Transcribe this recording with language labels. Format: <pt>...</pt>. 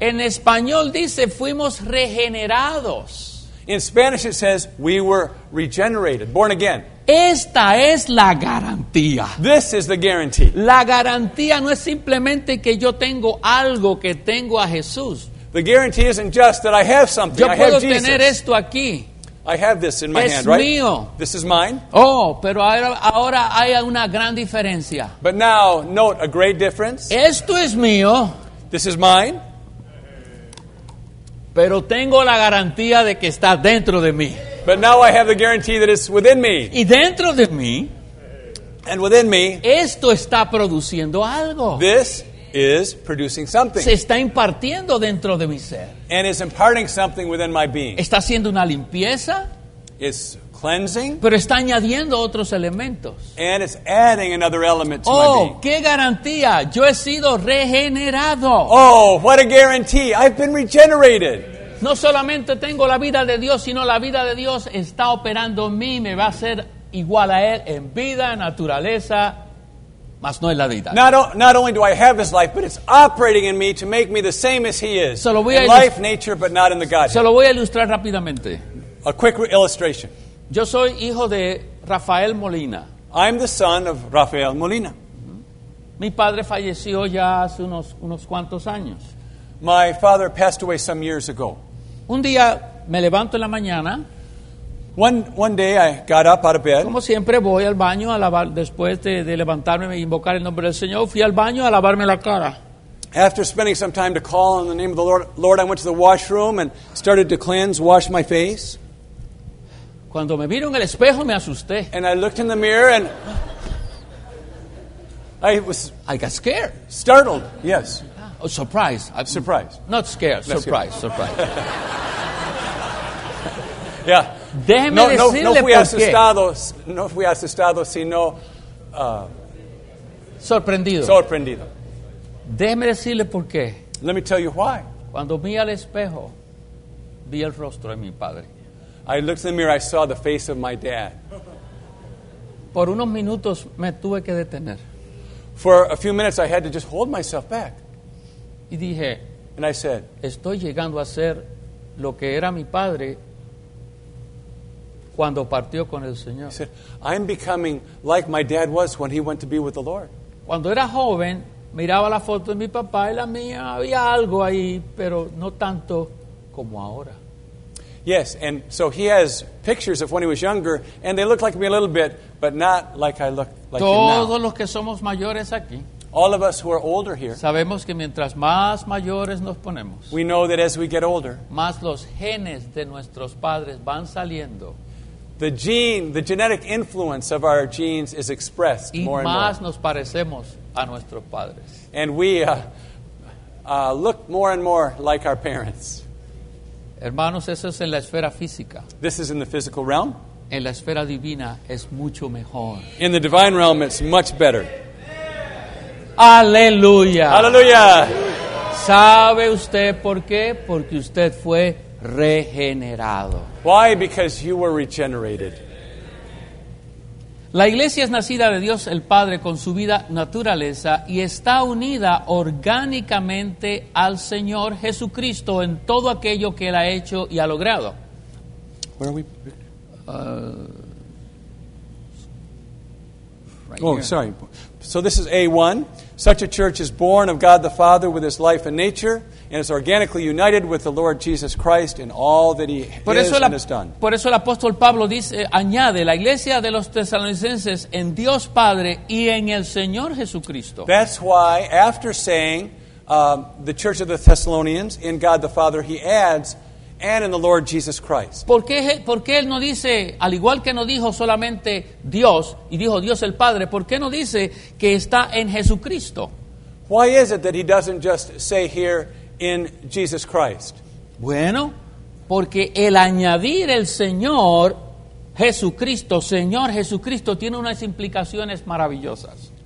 <es>En español dice fuimos regenerados.</es> <en>In Spanish it says we were regenerated, born again.</en> <es>Esta es la garantía.</es> <en>This is the guarantee.</en> <es>La garantía no es simplemente que yo tengo algo, que tengo a Jesús.</es> <en>The guarantee isn't just that I have something.</en> <es>Yo</es> <en>I have Jesus.</en> <es>Tener esto aquí.</es> <en>I have this in my</en> <es>es</es> <en>hand, right?</en> <es>Mío.</es> <en>This is mine.</en> <es>Oh, pero ahora hay una gran diferencia.</es> <en>But now, note a great difference.</en> <es>Esto es mío.</es> <en>This is mine.</en> <es>Pero tengo la garantía de que está dentro de mí.</es> <en>But now I have the guarantee that it's within me.</en> <es>Y dentro de mí.</es> <en>And within me.</en> <es>Esto está produciendo algo.</es> <en>This is producing something.</en> <es>Se está impartiendo dentro de mi ser.</es> <en>And is imparting something within my being.</en> <es>Está haciendo una limpieza.</es> <en>It's cleansing.</en> <es>Pero está añadiendo otros elementos.</es> <en>And it's adding another element to oh, my being.</en> <es>Oh, qué garantía. Yo he sido regenerado.</es> <en>Oh, what a guarantee. I've been regenerated.</en> <es>No solamente tengo la vida de Dios, sino la vida de Dios está operando en mí, me va a ser igual a Él en vida, naturaleza, más no en la vida.</es> <en>Not only do I have His life, but it's operating in me to make me the same as He is.</en> <es>Se lo voy a</es> <en>life, nature, but not in the Godhead.</en> <es>Se lo voy a ilustrar rápidamente.</es> <en>A quick illustration.</en> <es>Yo soy hijo de Rafael Molina.</es> <en>I'm the son of Rafael Molina.</en> <es>Mi padre falleció ya hace unos cuantos años.</es> <en>My father passed away some years ago.</en> <es>Un día me levanto en la mañana.</es> <en>One day I got up out of bed.</en> <es>Como siempre voy al baño a lavar después de levantarme e invocar el nombre del Señor, fui al baño a lavarme la cara.</es> <en>After spending some time to call on the name of the Lord, I went to the washroom and started to cleanse, wash my face.</en> <es>Cuando me miro en el espejo me asusté.</es> <en>And I looked in the mirror and I got scared. Startled. Yes. Oh, surprise. Surprise. Not scared. No, surprise. Scared. Surprise. Yeah.</en> <es>Déjeme</es> <en>no,</en> <es>decirle no fui asustado. No fui asustado, sino... sorprendido. Sorprendido. Déjeme decirle por qué.</es> <en>Let me tell you why.</en> <es>Cuando vi al espejo, vi el rostro de mi padre.</es> <en>I looked in the mirror, I saw the face of my dad.</en> <es>Por unos minutos me tuve que detener.</es> <en>For a few minutes, I had to just hold myself back.</en> <es>Y dije,</es> <en>and I said,</en> <es>estoy llegando a ser lo que era mi padre cuando partió con el Señor.</es> <en>He said, I'm becoming like my dad was when he went to be with the Lord.</en> <es>Cuando era joven, miraba la foto de mi papá y la mía, había algo ahí, pero no tanto como ahora.</es> <en>Yes, and so he has pictures of when he was younger, and they look like me a little bit, but not like I look like</en> <es>todos</es> <en>him now.</en> <es>Todos los que somos mayores aquí.</es> <en>All of us who are older here.</en> <es>Sabemos que mientras más mayores nos ponemos.</es> <en>We know that as we get older.</en> <es>Más los genes de nuestros padres van saliendo.</es> <en>The genetic influence of our genes is expressed more and more.</en> <es>Y más nos parecemos a nuestros padres.</es> <en>And we look more and more like our parents.</en> <es>Hermanos, eso es en la esfera física.</es> <en>This is in the physical realm.</en> <es>En la esfera divina es mucho mejor.</es> <en>In the divine realm it's much better.</en> <es>Aleluya. Aleluya. ¿Sabe usted por qué? Porque usted fue regenerado.</es> <en>Why? Because you were regenerated.</en> <es>La iglesia es nacida de Dios el Padre con su vida naturaleza y está unida orgánicamente al Señor Jesucristo en todo aquello que Él ha hecho y ha logrado.</es> <en>Where are we? Right here. So this is A1. Such a church is born of God the Father with His life and nature, and is organically united with the Lord Jesus Christ in all that He is and has done.</en> <es>Por eso el apóstol Pablo dice, añade, la iglesia de los Tesalonicenses en Dios Padre y en el Señor Jesucristo.</es> <en>That's why, after saying the church of the Thessalonians in God the Father, he adds, and in the Lord Jesus Christ.</en> <es>¿Por qué él no dice, al igual que no dijo solamente Dios, y dijo Dios el Padre, por qué no dice que está en Jesucristo?</es> <en>Why is it that he doesn't just say here, in Jesus Christ?</en> <es>Bueno, porque el añadir el Señor Jesucristo, Señor Jesucristo, tiene unas implicaciones maravillosas.</es>